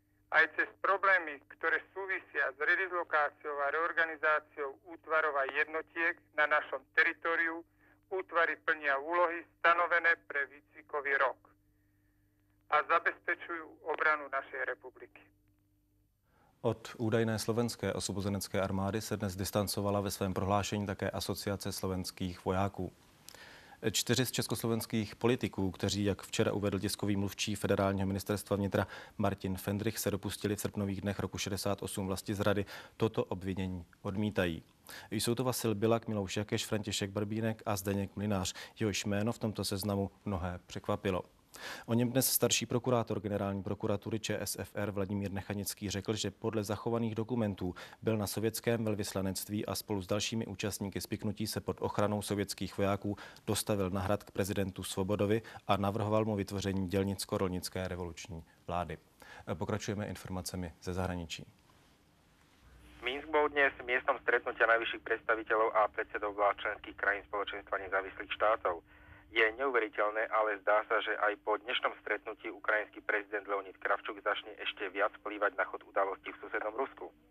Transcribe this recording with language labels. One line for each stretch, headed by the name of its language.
Slovak: Aj cez problémy, ktoré súvisia s redislokáciou a reorganizáciou útvarov a jednotiek na našom teritóriu, útvary plnia úlohy stanovené pre výcvikový rok a zabezpečujú obranu našej republiky.
Czech: Od údajné slovenské osvobozenecké armády se dnes distancovala ve svém prohlášení také Asociace slovenských vojáků. 4 z československých politiků, kteří, jak včera uvedl tiskový mluvčí federálního ministerstva vnitra Martin Fendrich, se dopustili v srpnových dnech roku 68 vlastizrady, toto obvinění odmítají. Jsou to Vasil Bilak, Milouš Jakeš, František Barbínek a Zdeněk Mlynář. Jehož jméno v tomto seznamu mnohé překvapilo. O něm dnes starší prokurátor generální prokuratury ČSFR Vladimír Nechanický řekl, že podle zachovaných dokumentů byl na sovětském velvyslanectví a spolu s dalšími účastníky spiknutí se pod ochranou sovětských vojáků dostavil na Hrad k prezidentu Svobodovi a navrhoval mu vytvoření dělnicko-rolnické revoluční vlády. Pokračujeme informacemi ze zahraničí.
Slovak: Minsk bol dnes miestom stretnutia najvyšších predstaviteľov a predsedov vlád členských krajín spoločenstva nezávislých štátov. Je neuveriteľné, ale zdá sa, že aj po dnešnom stretnutí ukrajinský prezident Leonid Kravčuk začne ešte viac vplývať na chod udalostí v susednom Rusku.